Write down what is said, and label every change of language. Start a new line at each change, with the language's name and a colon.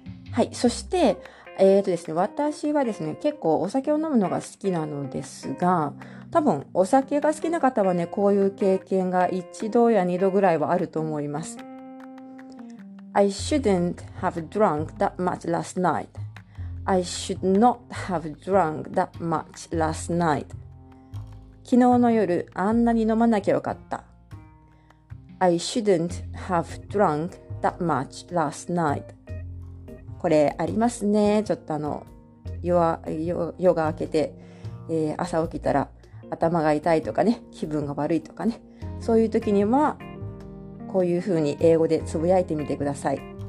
Japanese: はい、そして、ですね、私はですね、結構お酒を飲むのが好きなのですが、多分お酒が好きな方はね、こういう経験が一度や二度ぐらいはあると思います。
English: I shouldn't have drunk that much last night. I should not have drunk that much last night.
Japanese: 昨日の夜、あんなに飲まなきゃよかった。
English: I shouldn't have drunk that much last night.
Japanese: これありますね。ちょっと夜が明けて、朝起きたら頭が痛いとかね、気分が悪いとかね、そういう時にはこういうふうに英語でつぶやいてみてください。